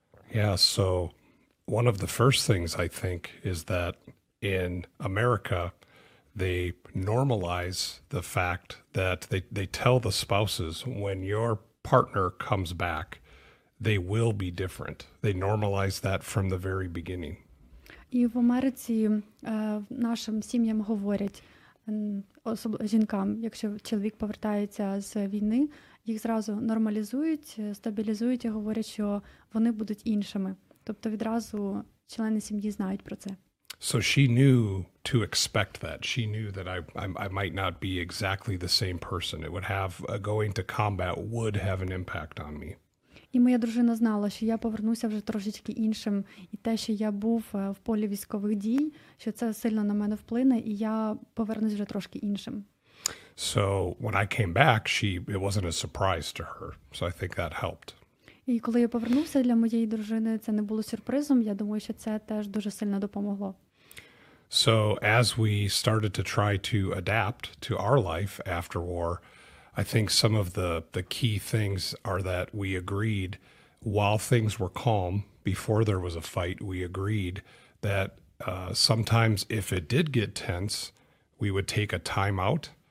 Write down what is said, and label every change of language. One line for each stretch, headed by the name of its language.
English: Yeah, so one of the first things I think is that in America, they normalize the fact that they tell the spouses when your partner comes back, they will be different. They normalize that from the very beginning.
Ukrainian: І в Америці нашим сім'ям говорять, особливо жінкам, якщо чоловік повертається з війни, їх зразу нормалізують, стабілізують і говорять, що вони будуть іншими. Тобто відразу члени сім'ї знають про це.
English: So she knew to expect that. She knew that I might not be exactly the same person. It would have going to combat would have an impact on me.
Ukrainian: І моя дружина знала, що я повернуся вже трошечки іншим, і те, що я був в полі військових дій, що це сильно на мене вплине, і я повернусь вже трошки іншим.
English: So when I came back, it wasn't a surprise to her. So I think that helped.
Ukrainian: І коли я повернувся для моєї дружини, це не було сюрпризом. Я думаю, що це теж дуже сильно допомогло.
English: So as we started to try to adapt to our life after war, I think some of the key things are that we agreed while things were calm before there was a fight, we agreed that sometimes if it did get tense, we would take a time out.